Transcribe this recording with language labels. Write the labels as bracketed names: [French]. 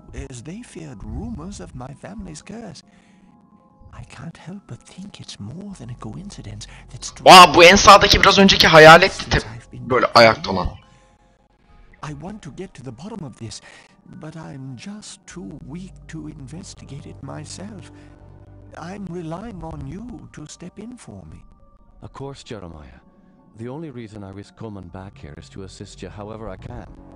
[English] As they feared rumors of my family's curse. I can't help but think it's more than a coincidence that strange... [Turkish] Wow, bu en sağdaki biraz önceki hayalet tip böyle ayakta olan. [English] I want to get to the bottom of this, but I'm just too weak to investigate it myself. I'm relying on you to step in for me. Of course, Jeremiah. The only reason I risk coming back here is to assist you however I can.